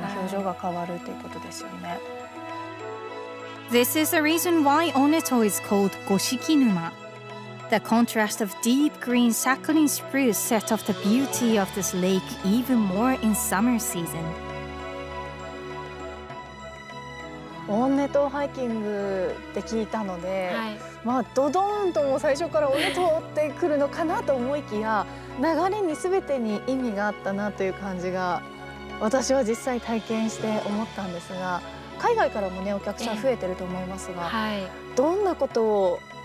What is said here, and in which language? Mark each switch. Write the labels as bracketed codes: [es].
[ja] 今日はこんな色。日時とか太陽の差し込みによって多少変わります。またすっかり晴れると、また色味が、また青かったりとか。そうですね。緑だけじゃなくて、湖もこう色とかこう姿を毎日変えるってことですよね。表情が変わるっていうことですよね。 [en] This is the reason why Oneto is called Goshikinuma. The contrast of deep green saccharine spruce set off the beauty of this lake even more in summer season. [ja] オネトハイキングって聞いたので、まあドドーンとも最初からオネトって来るのかなと思いきや、流れに全てに意味があったなという感じが私は実際体験して思ったんですが、海外からもね、お客さん増えてると思いますが、どんなことを